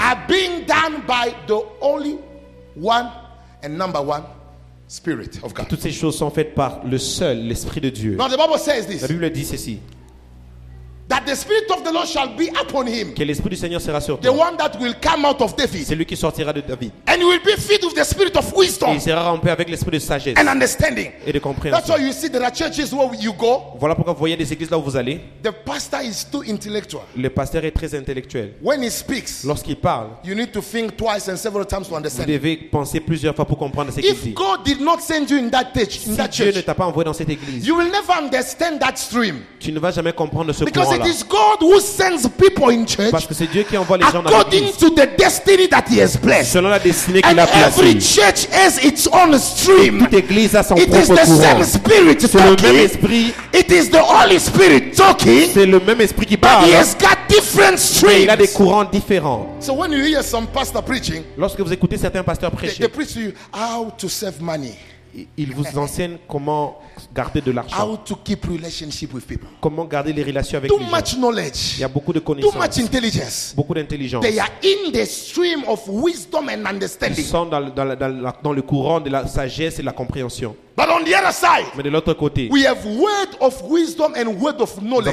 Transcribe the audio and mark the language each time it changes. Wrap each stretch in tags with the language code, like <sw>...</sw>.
<en>Are being done by the only one and number one. Spirit of God.</en> <fr>Toutes ces choses sont faites par le seul l'esprit de Dieu.</fr> <en>Now the Bible says this.</en> <fr>La Bible dit ceci.</fr> <en>That the Spirit of the Lord shall be upon him.</en> <fr>Que l'esprit du Seigneur sera sur toi.</fr> <en>The one that will come out of David.</en> <fr>Celui qui sortira de David.</fr> <en>And he will be filled with the Spirit of wisdom.</en> <fr>Et il sera rempli avec l'esprit de sagesse.</fr> <en>And understanding.</en> <fr>Et de compréhension.</fr> <en>That's why you see there are churches where you go.</en> <fr>Voilà pourquoi vous voyez des églises là où vous allez.</fr> <en>The pastor is too intellectual.</en> <fr>Le pasteur est très intellectuel.</fr> <en>When he speaks.</en> <fr>Lorsqu'il parle.</fr> <en>You need to think twice and several times to understand.</en> <fr>Vous devez penser plusieurs fois pour comprendre ce qu'il dit.</fr> <en>If God did not send you in that church,</en> <fr>Dieu ne t'a pas envoyé dans cette église.</fr> <en>You will never understand that stream.</en> <fr>Tu ne vas jamais comprendre ce courant.</fr> <en>It is God who sends people in church.</en> <fr>Parce que c'est Dieu qui envoie les gens dans</fr> <en>according to the destiny that he has blessed.</en> <fr>Selon la destinée</fr> <en>and</en> <fr>qu'il a placée.</fr> <en>Every church has its own stream.</en> <fr>Toute église a son</fr> <en>it</en> <fr>propre courant.</fr> <en>It is the same spirit</en> <fr>c'est</fr> <en>talking.</en> <fr>Le même esprit.</fr> <en>It is the Holy Spirit talking.</en> <fr>C'est le même esprit qui parle.</fr> <en>But he has got different streams.</en> <fr>Il a des courants différents.</fr> <en>So when you hear some pastor preaching,</en> <fr>lorsque vous écoutez certains pasteurs prêcher,</fr> <en>they preach to you how to save money.</en> <fr>Il vous enseigne comment garder de l'argent.</fr> <en>How to keep relationship with people.</en> <fr>Comment garder les relations avec</fr> <en>too</en> <fr>les gens.</fr> <en>Too much knowledge.</en> <fr>Il y a beaucoup de connaissances.</fr> <en>Too much intelligence.</en> <fr>Beaucoup d'intelligence.</fr> <en>They are in the stream of wisdom and understanding.</en> <fr>Ils sont dans le courant de la sagesse et de la compréhension.</fr> <en>But on the other side,</en> <fr>mais de l'autre côté,</fr> <en>we have word of wisdom and word of knowledge.</en>